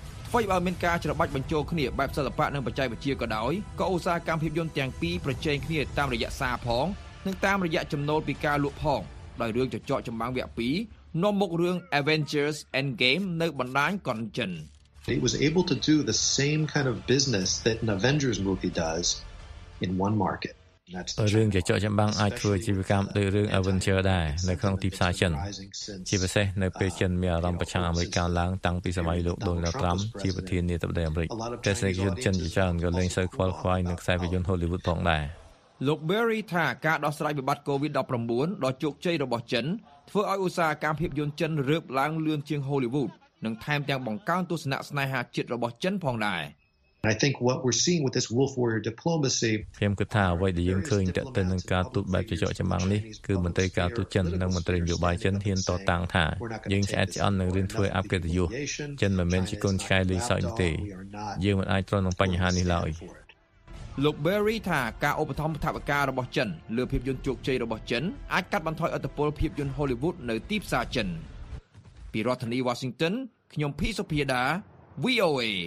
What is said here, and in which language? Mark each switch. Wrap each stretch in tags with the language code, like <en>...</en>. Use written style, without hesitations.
<km>ធ្វើឲ្យមានការច្របាច់បញ្ចូលគ្នាបែបសិល្បៈនិងបច្ចេកវិទ្យាក៏ដោយក៏ឧស្សាហកម្មភាពយន្តទាំងពីរប្រជែងគ្នាតាមរយៈសារផងនឹងតាមរយៈចំណូលពីការលក់ផងដោយរឿងចចកចម្បាំងវគ្គ2នាំមករឿង Avengers Endgame នៅបណ្ដាញកុនជិន</km> <en>It was able to do the same kind of business that an Avengers movie does in one market.</en> <km>រឿងចចកចម្បាំងអាចធ្វើជីវកម្មដោយរឿង Avengers ដែរនៅក្នុងទីផ្សារចិនជាពិសេសនៅពេលចិនមានអារម្មណ៍ប្រឆាំងអាមេរិកឡើងតាំងពីសម័យលោកដូណាល់ត្រាំជាប្រធានាធិបតីអាមេរិកតែសេចក្ដីចិនជាច្រើនក៏លែងសូវខ្វល់ខ្វាយនឹងខ្សែភាពយន្ត Hollywood ផងដែរ លោក Berry ថាការដោះស្រាយវិបត្តិ COVID-19 ដ៏ជោគជ័យរបស់ចិនធ្វើឲ្យឧស្សាហកម្មភាពយន្តចិនរើបឡើងលឿនជាង Hollywood និងថែមទាំងបង្កើនទស្សនៈស្នេហាជាតិរបស់ចិនផងដែរ</km> <en>I think what we're seeing with this wolf warrior diplomacy</en> <km>ខ្ញុំគិតថាអ្វីដែលយើងឃើញតទៅនឹងការទូតបែបចចកចម្បាំងនេះគឺមន្ត្រីការទូតចិននិងមន្ត្រីនយោបាយចិនហ៊ានតតាំងថាយើងស្អាតស្អននឹងរៀនធ្វើអបកិត្តិយសចិនមិនមែនជាកូនឆ្កែលេងសើចទេយើងមិនអាចទ្រាំនឹងបញ្ហានេះឡើយ លោក Berry ថាការឧបត្ថម្ភថវិការបស់ចិនលើភាពយន្តជោគជ័យរបស់ចិនអាចកាត់បន្ថយឥទ្ធិពលភាពយន្ត Hollywood នៅទីផ្សារចិនពីរដ្ឋធានី Washington ខ្ញុំ Phi Sophia VOA</km>